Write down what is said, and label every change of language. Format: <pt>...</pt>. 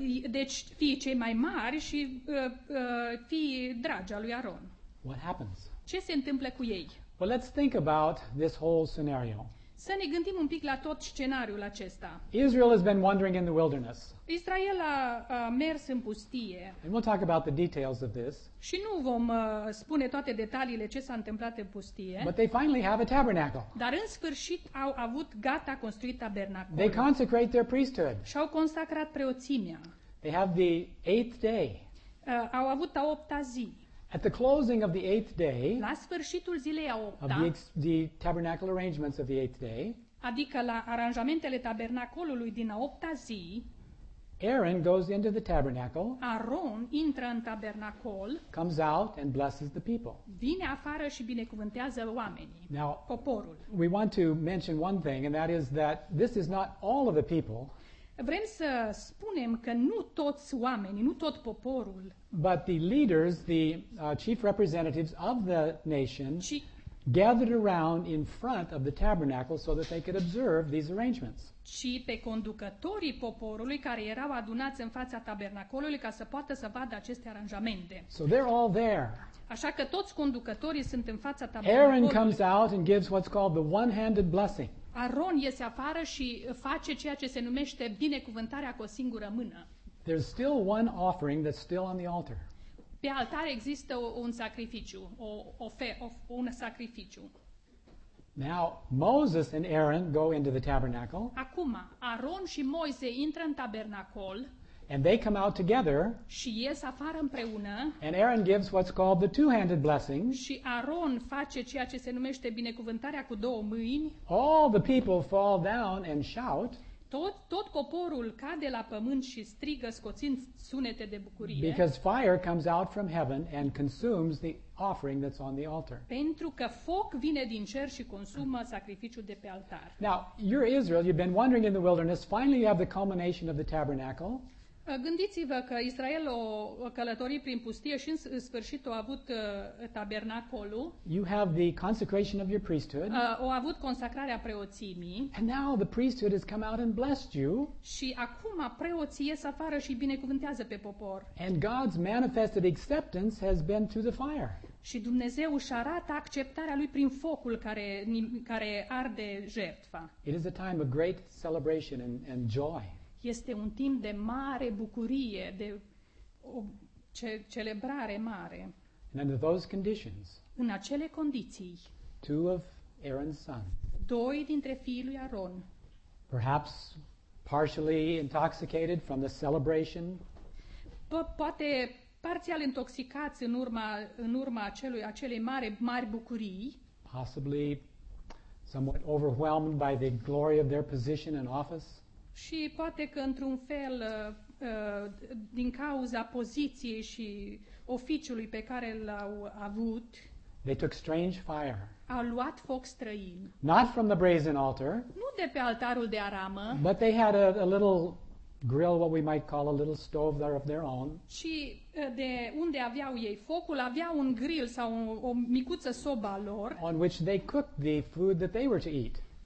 <ro>Deci fii cei mai mari și fii dragi al lui Aaron.</ro> <en>What happens?</en> <ro>Ce se întâmplă cu ei?</ro> <en>Well, let's think about this whole scenario.</en> <ro>Să ne gândim un pic la tot scenariul acesta.</ro> <en>Israel has been wandering in the wilderness.</en> <ro>Israel a mers în pustie.</ro> <en>And we'll talk about the details of this.</en> <ro>Și nu vom spune toate detaliile ce s-a întâmplat în pustie.</ro> <en>But they finally have a tabernacle.</en> <ro>Dar în sfârșit au avut gata construit tabernacolul.</ro> <en>They consecrate their priesthood.</en> <ro>Și-au consacrat preoțimea.</ro> <en>They have the 8th day.</en> <ro>Au avut a 8-a zi.</ro> <en>At the closing of the 8th day,</en> <ro>la sfârșitul zilei a 8-a,</ro> <en>of the tabernacle arrangements of the 8th day,</en> <ro>adică la aranjamentele tabernacolului din a 8-a zi,</ro> <en>Aaron goes into the tabernacle,</en> <ro>Aaron intră în tabernacol,</ro> <en>comes out and blesses the people.</en> <ro>Vine afară și binecuvântează oamenii,</ro> <en>now,</en> <ro>poporul.</ro> <en>We want to mention one thing, and that is that this is not all of the people.</en> <ro>Vrem să spunem că nu toți oamenii, nu tot poporul,</ro> <en>but the leaders, the chief representatives of the nation, gathered around in front of the tabernacle so that they could observe these arrangements.</en> <ro>Ci pe conducătorii poporului care erau adunați în fața tabernacolului ca să poată să vadă aceste aranjamente.</ro> <en>So they're all there.</en> <ro>Așa că toți conducătorii sunt în fața tabernacolului.</ro> <en>Aaron comes out and gives what's called the one-handed blessing.</en> <ro>Aaron iese afară și face ceea ce se numește binecuvântarea cu o singură mână.</ro> <en>There's still one offering that's still on the altar.</en> <ro>Pe altar există un sacrificiu, un sacrificiu.</ro> <en>Now Moses and Aaron go into the tabernacle.</en> <ro>Acum Aaron și Moise intră în tabernacol.</ro> <en>And they come out together.</en> <ro>Și ies afară împreună.</ro> <en>And Aaron gives what's called the two-handed blessing.</en> <ro>Și Aaron face ceea ce se numește binecuvântarea cu două mâini.</ro> <en>All the people fall down and shout.</en> <ro>Tot poporul cade la pământ și strigă scoțind sunete de bucurie.</ro> <en>Because fire comes out from heaven and consumes the offering that's on the altar.</en> <ro>Pentru că foc vine din cer și consumă sacrificiul de pe altar.</ro> <en>Now, you're Israel, you've been wandering in the wilderness, finally you have the culmination of the tabernacle.</en> <ro>Gândiți-vă că Israel o călătorie prin pustie și în sfârșit a avut tabernacolul.</ro> <en>You have the consecration of your priesthood.</en> <ro>O avut consacrarea preoțimii.</ro> <en>And now the priesthood has come out and blessed you.</en> <ro>Și acum preoții ies afară și binecuvântează pe popor.</ro> <en>And God's manifested acceptance has been through the fire.</en> <ro>Și Dumnezeu își arată acceptarea lui prin focul care arde jertfa.</ro> <en>It is a time of great celebration and joy.</en> <ro>Este un timp de mare bucurie, de o celebrare mare.</ro> <en>And under those conditions,</en> <ro>în acele condiții,</ro> <en>two of Aaron's sons,</en> <ro>doi dintre fiii lui Aaron,</ro> <en>perhaps partially intoxicated from the celebration,</en> <ro>poate parțial intoxicați în urma acelei mari bucurii,</ro> <en>possibly somewhat overwhelmed by the glory of their position and office,</en> <ro>și poate că într-un fel din cauza poziției și oficiului pe care l-au avut,</ro> <en>they took strange fire.</en> <ro>Au luat foc străin.</ro> <en>Not from the brazen altar.</en> <ro>Nu de pe altarul de aramă.</ro> <en>But they had a little grill, what we might call a little stove there of their own.</en> <ro>Și de unde aveau ei focul, aveau un grill sau o micuță soba lor.</ro> <en>On which they cooked the food that they were to eat.</en>